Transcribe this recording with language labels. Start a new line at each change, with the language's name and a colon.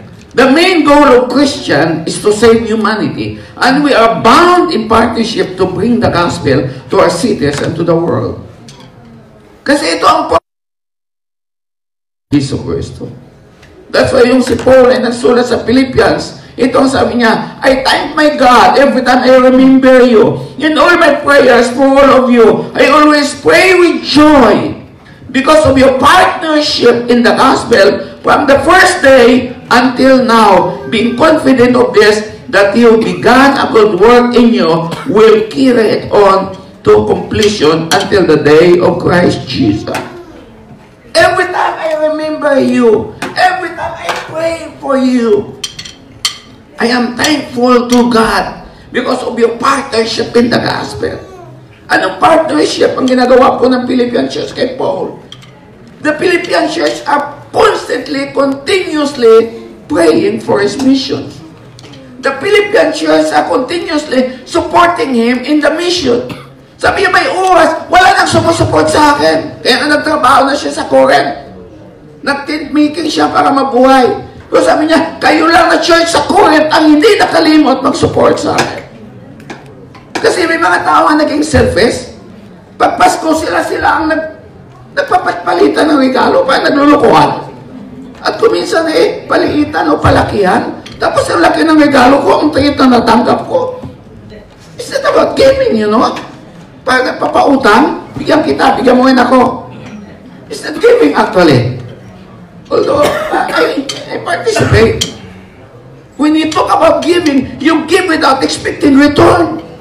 English: The main goal of Christian is to save humanity, and we are bound in partnership to bring the gospel to our cities and to the world.
Filipino: Kasi ito ang Jesus Cristo.
English: That's why
Filipino: yung si Paul ay nagsulat sa Philippians, ito ang sabi niya,
English: I thank my God every time I remember you. In all my prayers for all of you, I always pray with joy because of your partnership in the gospel from the first day until now, being confident of this, that you began a good work in you, will carry it on to completion until the day of Christ Jesus. Every time I remember you, every time I pray for you, I am thankful to God because of your partnership in the gospel.
Filipino: Anong partnership ang ginagawa po ng Philippian Church kay Paul?
English: The Philippian Church are constantly, continuously praying for his mission. The Philippian Church are continuously supporting him in the mission.
Filipino: Sabi niya, may oras, wala nang sumusuport sa akin. Kaya nagtrabaho na siya sa Corinth. Nag-tent-making siya para mabuhay. Pero sabi niya, kayo lang na church sa Corinth ang hindi nakalimot mag-support sa akin. Kasi may mga tao ang naging selfish. Pag Pasko sila ang nagpapalitan ng regalo para naglulukuhan. At kuminsan eh, paliitan o palakihan. Tapos ang laki ng regalo ko, ang tingit na natanggap ko.
English: It's not about gaming, you know?
Filipino: Para nagpapautang, bigyan kita, bigyan mo rin ako.
English: It's not gaming actually. Although, I participate. When you talk about giving, you give without expecting return.